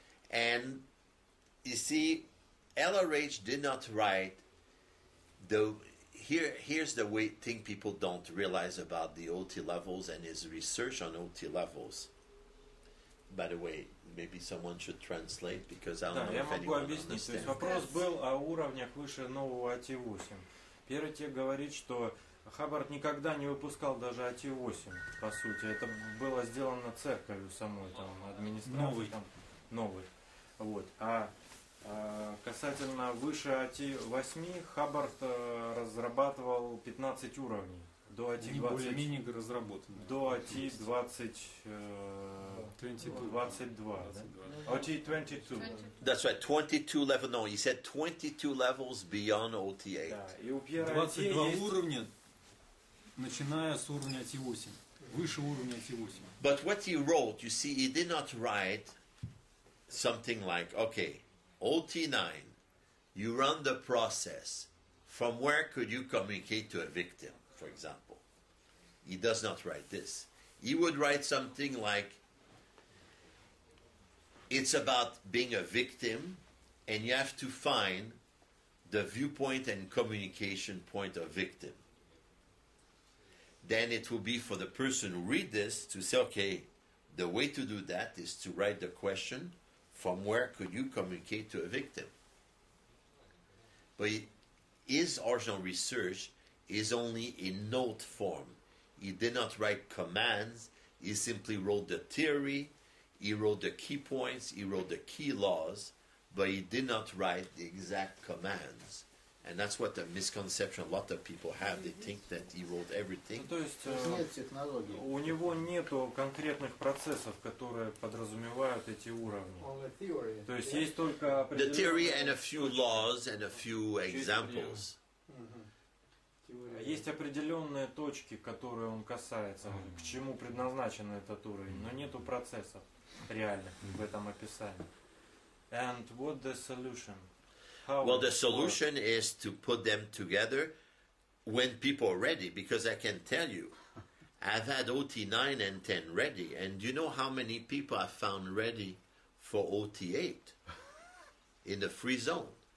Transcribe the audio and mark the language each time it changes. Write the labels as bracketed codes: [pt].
[en] And you see, LRH did not write the... Here's the way thing people don't realize about the OT levels and his research on OT levels. By the way, maybe someone should translate, because I don't know if anyone understands. [ru] То есть вопрос был о уровнях выше нового OT8. Пьер Этье говорит, что Хаббард никогда не выпускал даже OT8, по сути. Это было сделано церковью самой, там, администрацией. Новый. Там, новый. Вот. А касательно выше OT8, Хаббард разрабатывал 15 уровней. До OT20. Не более-менее разработанные. До OT22. OT22. [en] That's right, 22 level. No, he said 22 levels beyond OT8. [ru] Да, и у Пьера 22 есть... уровня, начиная с уровня OT8. Выше уровня OT8. [en] But what he wrote, you see, he did not write something like, okay, OT9, you run the process. From where could you communicate to a victim, for example? He does not write this. He would write something like, it's about being a victim, and you have to find the viewpoint and communication point of victim. Then it will be for the person who read this to say, okay, the way to do that is to write the question, from where could you communicate to a victim? But his original research is only in note form. He did not write commands. He simply wrote the theory. He wrote the key points. He wrote the key laws. But he did not write the exact commands. And that's what the misconception a lot of people have. They think that he wrote everything. [ru] То есть нет технологии. У него нету конкретных процессов, которые подразумевают эти уровни. То есть есть только [en] the theory and a few laws and a few examples. [ru] Есть определенные точки, которые он касается, к чему предназначен этот уровень, но нету процессов реальных в этом описании. [en] And what the solution? Well, the solution is to put them together when people are ready, because I can tell you, I've had OT9 and 10 ready, and you know how many people I found ready for OT8 in the free zone?